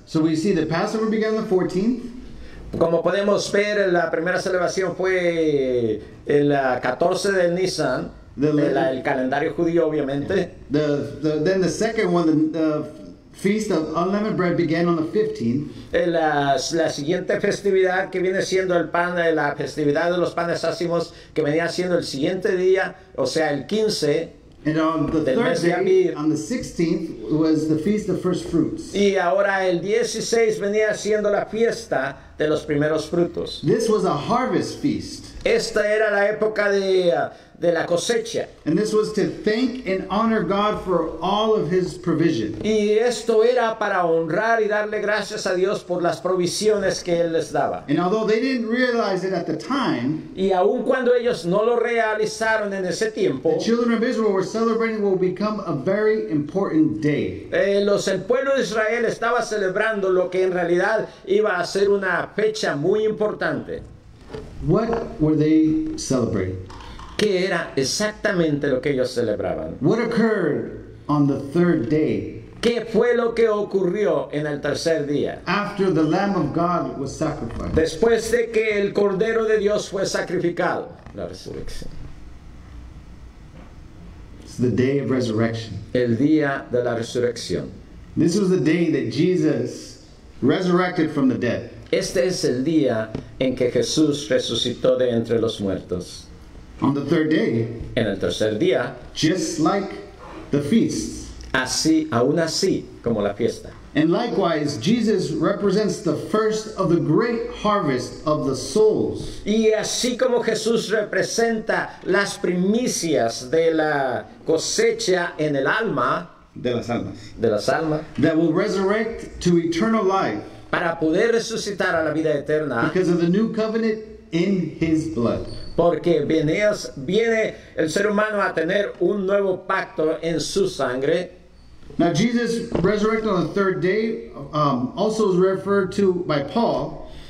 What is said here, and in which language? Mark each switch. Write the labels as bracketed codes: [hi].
[en] So we see the Passover began the 14th. [es] Como podemos ver, la primera celebración fue el 14 de Nisan, el calendario judío, obviamente. [en] Then the second one, the Feast of Unleavened Bread began on the 15th. [es] La siguiente festividad que viene siendo el pan, la festividad de los panes ácimos, que venía siendo el siguiente día, o sea, el 15. [en] And on the third day, on the 16th, was the Feast of First Fruits. [es] Y ahora el 16 venía siendo la fiesta de los primeros frutos. [en] This was a harvest feast. [es] Esta era la época de la cosecha. [en] And this was to thank and honor God for all of his provision. [es] Y esto era para honrar y darle gracias a Dios por las provisiones que él les daba. [en] And although they didn't realize it at the time, [es] y aun cuando ellos no lo realizaron en ese tiempo, [en] the children of Israel were celebrating what would become a very important day. [es] El pueblo de Israel estaba celebrando lo que en realidad iba a ser una fecha muy importante. [en] What were they celebrating? [es] ¿Qué era exactamente lo que ellos celebraban? [en] What occurred on the third day? [es] ¿Qué fue lo que ocurrió en el tercer día? [en] After the Lamb of God was sacrificed. [es] Después de que el Cordero de Dios fue sacrificado. La resurrección. [en] It's the day of resurrection. [es] El día de la resurrección. [en] This was the day that Jesus resurrected from the dead. [es] Este es el día en que Jesús resucitó de entre los muertos. [en] On the third day, [es] en el tercer día, [en] just like the feast, [es] así, aún así, como la fiesta. [en] And likewise, Jesus represents the first of the great harvest of the souls. [es] Y así como Jesús representa las primicias de la cosecha en el alma, de las almas, de las almas, [en] that will resurrect to eternal life, [es] para poder resucitar a la vida eterna, [en] because of the new covenant in His blood. [es] Porque viene el ser humano a tener un nuevo pacto en su sangre. [en] Now Jesus resurrected on the third day, also is referred to by Paul.